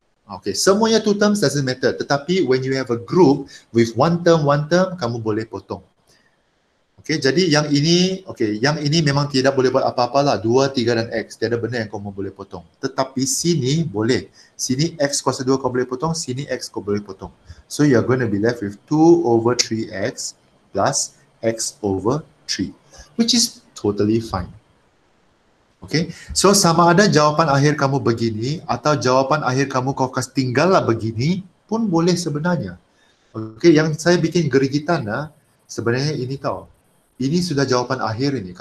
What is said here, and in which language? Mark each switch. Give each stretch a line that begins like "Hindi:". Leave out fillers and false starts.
English: Okay,
Malay: semuanya
English: two terms doesn't matter.
Malay: Tetapi,
English: when you have a group with one term,
Malay: kamu boleh potong. Okay, jadi yang ini, okay, yang ini memang tidak boleh buat apa-apalah. 2, 3 dan X. Tiada benda yang kamu boleh potong. Tetapi sini boleh. Sini X kuasa 2 kau boleh potong, sini X kau boleh potong.
English: So you are going to be left with 2 over 3X plus X over 3. Which is totally fine.
Malay: Okay, so sama ada jawapan akhir kamu begini atau jawapan akhir kamu kau kasih tinggallah begini pun boleh sebenarnya. Okay, yang saya bikin gerigitan lah sebenarnya ini tau. Ini sudah jawapan akhir ini.